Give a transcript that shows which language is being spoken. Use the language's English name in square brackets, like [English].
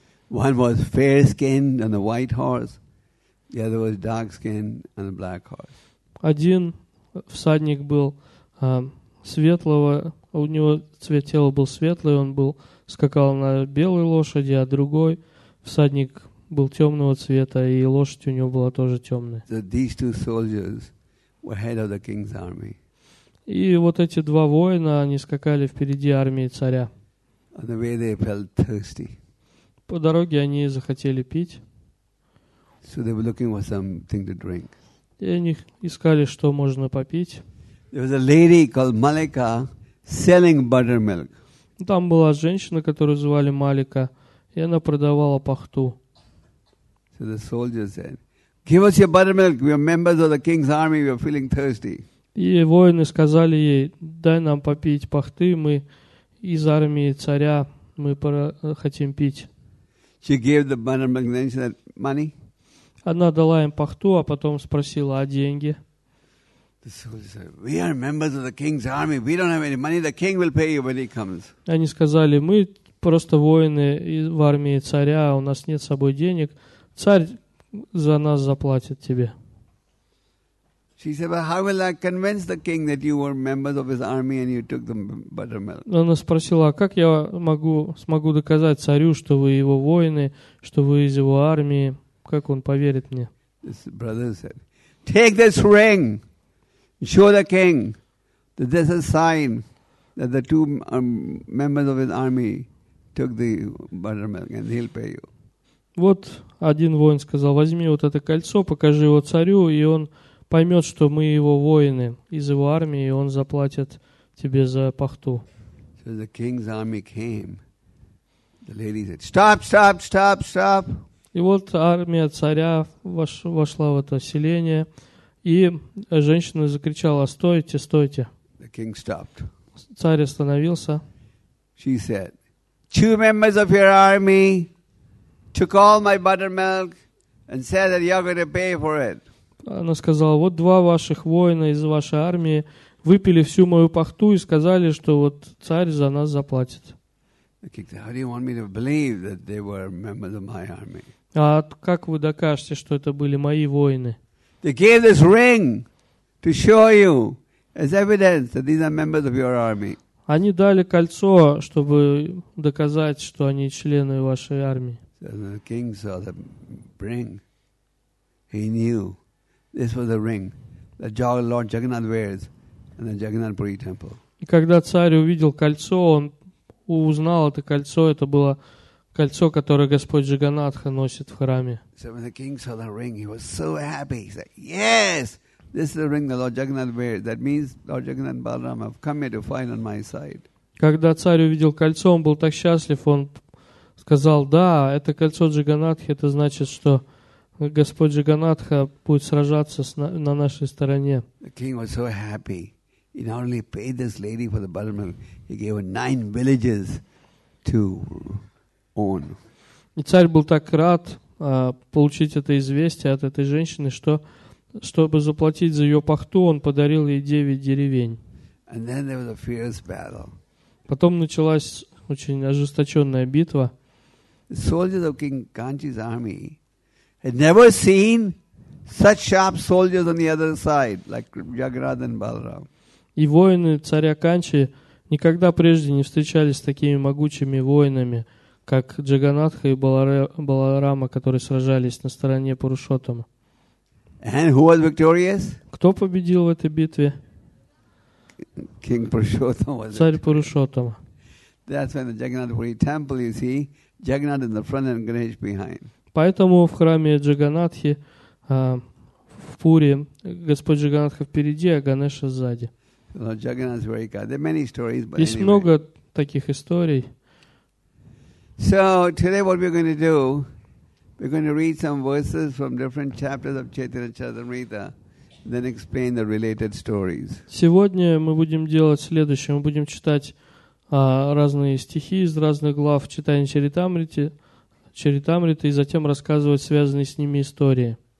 [English] One was fair-skinned on a white horse, the other was dark-skinned on a black horse. [Russian] Один всадник был светлого, у него цвет тела был светлый, он был скакал на белой лошади, а другой всадник был темного цвета, и лошадь у него была тоже темная. [English] So these two soldiers were head of the king's army. [Russian] И вот эти два воина, они скакали впереди армии царя. [English] On the way they felt thirsty. [Russian] По дороге они захотели пить. [English] So they were looking for something to drink. [Russian] И они искали, что можно попить. [English] There was a lady called Malika selling buttermilk. [Russian] Там была женщина, которую звали Малика, и она продавала пахту. [English] So the soldier said, "Give us your buttermilk. We are members of the king's army. We are feeling thirsty." [Russian] И воины сказали ей: "Дай нам попить пахты, мы из армии царя, мы хотим пить." [English] She gave the buttermilk, then she said, "Money?" [Russian] Она дала им пахту, а потом спросила: "А деньги?" [English] The soldiers said, "We are members of the king's army. We don't have any money. The king will pay you when he comes." [Russian] Они сказали: "Мы просто воины в армии царя, у нас нет с собой денег. Царь за нас заплатит тебе." [English] She said, "But how will I convince the king that you were members of his army and you took the buttermilk?" [Russian] Она спросила: "А как я смогу доказать царю, что вы его воины, что вы из его армии? Как он поверит мне?" [English] His brother said, "Take this ring. Show the king that this is a sign that the two members of his army took the buttermilk and he'll pay you." [Russian] Вот один воин сказал: "Возьми вот это кольцо, покажи его царю, и он поймет, что мы его воины из его армии, и он заплатит тебе за пахту." [English] So the king's army came. The lady said, "Stop, stop, stop, stop." [Russian] И вот армия царя вошла в это селение, и женщина закричала: "Стойте, стойте!" [English] The king stopped. [Russian] Царь остановился. [English] She said, "Two members of your army took all my buttermilk and said that you're going to pay for it." [Russian] Она сказала: "Вот два ваших воина из вашей армии выпили всю мою пахту и сказали, что вот царь за нас заплатит." [English] The king said, "How do you want me to believe that they were members of my army?" [Russian] А как вы докажете, что это были мои воины? [English] They gave this ring to show you as evidence that these are members of your army. [Russian] Они дали кольцо, чтобы доказать, что они члены вашей армии. [English] The king saw the ring. He knew this was the ring that Lord Jagannath wears in the Jagannath Puri temple. [Russian] И когда царь увидел кольцо, он узнал это кольцо. Это было кольцо, которое Господь Джаганатха носит в храме. [English] So when the king saw the ring, he was so happy. He said, "Yes, this is the ring that Lord Jagannath wears. That means Lord Jagannath Balaram have come here to fight on my side." [Russian] Когда царь увидел кольцо, он был так счастлив, он сказал: "Да, это кольцо Джаганатхи, это значит, что Господь Джаганатха будет сражаться на нашей стороне." [English] The king was so happy. He not only paid this lady for the buttermilk, he gave her 9 villages to own. [Russian] И царь был так рад получить это известие от этой женщины, что, чтобы заплатить за ее пахту, он подарил ей 9 деревень. [English] And then there was a fierce battle. [Russian] Потом началась очень ожесточенная битва. [English] The soldiers of King Kanchi's army had never seen such sharp soldiers on the other side, like Jagannath and Balaram. [Russian] И воины царя Канчи никогда прежде не встречались с такими могучими воинами, как Джаганатха и Баларама, которые сражались на стороне Пурушоттама. [English] And who was victorious? [Russian] Кто победил в этой битве? [English] King Purushottam was. [Russian] Царь Пурушоттама. [English] That's when the Jagannath Puri temple, you see, Jagannath in the front and Ganesh behind. [Russian] Поэтому в храме Джаганатхи в Пури Господь Джаганатха впереди, а Ганеша сзади. [English] Lord Jagannath is very kind. There are many stories, but [Russian] есть [English] anyway. [Russian] Много таких историй. [English] So today, what we're going to do, We're going to read some verses from different chapters of Chaitanya Charitamrita, then explain the related stories. [Russian] Сегодня мы будем делать следующее: мы будем читать разные стихи из разных глав Чайтаньи Чаритамриты, Чаритамриты, и затем рассказывать связанные с ними истории.